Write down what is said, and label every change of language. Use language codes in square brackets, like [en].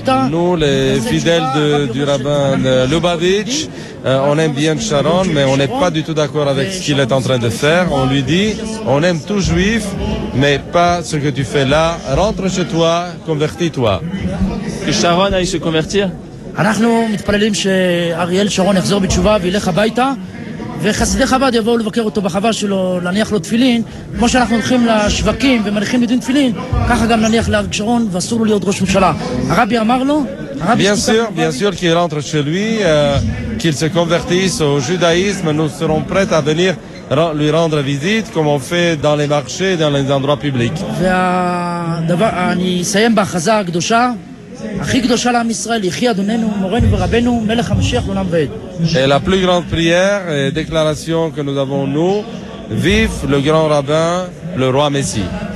[fr] Nous, les fidèles du rabbin Lubavitch, on aime bien Sharon, mais on n'est pas du tout d'accord avec ce qu'il est en train de faire. On lui dit, on aime tout juif, mais pas ce que tu fais là. Rentre chez toi, convertis-toi. Que Sharon aille se convertir. Nous, on espère que Ariel Sharon va revenir à la tchouva et aller à la maison. [he] וחסידי חב"ד יבואו לבקר אותו בחווה שלו, להניח לו תפילין, כמו שאנחנו הולכים לשווקים ומניחים בדין תפילין, ככה גם להניח לאריק שרון ואסור לו להיות ראש ממשלה. הרבי אמר לו, [fr] Bien sûr qu'il rentre chez lui, qu'il se convertisse au judaïsme, nous serons prêts à venir lui rendre visite, comme on fait dans les marchés, dans les endroits publics. [he] והדבר, אני אסיים בהכרזה הקדושה. [fr] Et la plus grande prière et déclaration que nous avons, nous, vive le grand rabbin, le roi Messie.